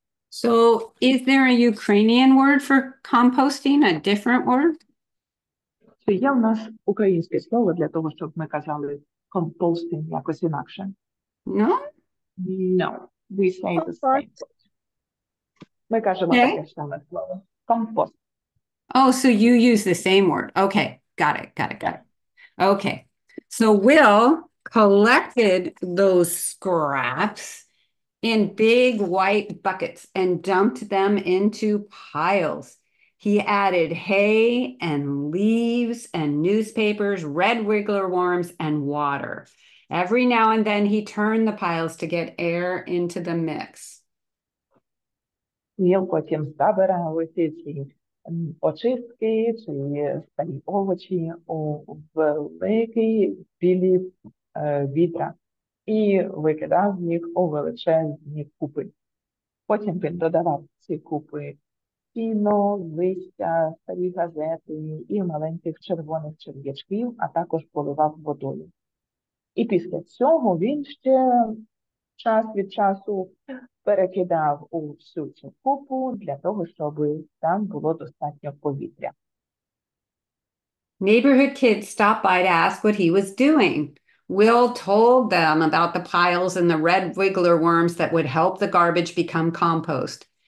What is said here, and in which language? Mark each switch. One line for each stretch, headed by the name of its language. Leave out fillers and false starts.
English: So, is there a Ukrainian word for composting, a different word?
Ukrainian: Чи є у нас українське слово для того, щоб ми казали composting якось інакше?
English: No? No, we say the same word.
Ukrainian: Ми кажемо таке саме слово.
English: Compost. Oh, so you use the same word. Okay, got it, got it, got it. Okay, so Will collected those scraps in big white buckets and dumped them into piles. He added hay and leaves and newspapers, red wiggler worms and water. Every now and then he turned the piles to get air into the mix.
Ukrainian: Він потім забирав усі ці очистки чи старі овочі у великі білі відра і викидав їх у величезні купи. Потім він додавав ці купи сіно, листя, старі газети і маленьких червоних черв'ячків, а також поливав водою. І після цього він ще час від часу перекидав у всю цю купу для того, щоб там було достатньо повітря.
English: Neighborhood kids stopped by to ask what he was doing. Will told them about the piles and the red wiggler worms that would help the garbage become compost.